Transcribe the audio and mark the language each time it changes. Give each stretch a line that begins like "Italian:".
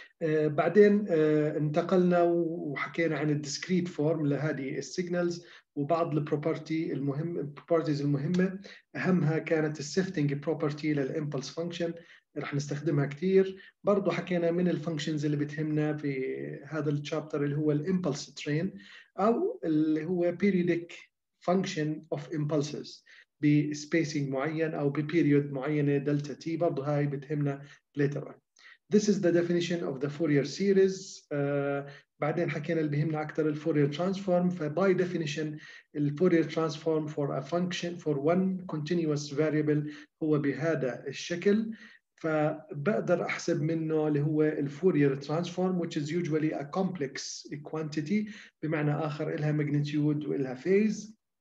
Arabic: بعدين انتقلنا وحكينا عن الديسكريت فورم لهذه السيجنالز وبعض البروبرتيز المهمة، أهمها كانت السيفتنج بروبرتي للإمبلس فانكشن رح نستخدمها كتير. برضو حكينا من الفانكشنز اللي بتهمنا في هذا الشابتر اللي هو الإمبلس ترين أو اللي هو بيريودك فانكشن أوف إمبلسز بسبيسينج معين أو ببيريود معينة دلتا تي، برضو هاي بتهمنا
English: later on. This is the definition of the Fourier series.
Arabic: بعدين حكينا اللي بهمنا أكثر الفورير ترانسفورم. ف
English: by definition
Arabic: الفورير ترانسفورم
English: for a function for one continuous variable
Arabic: هو بهذا الشكل، فبقدر أحسب منه اللي هو الفورير ترانسفورم
English: which is usually a complex quantity،
Arabic: بمعنى آخر إلها magnitude وإلها phase.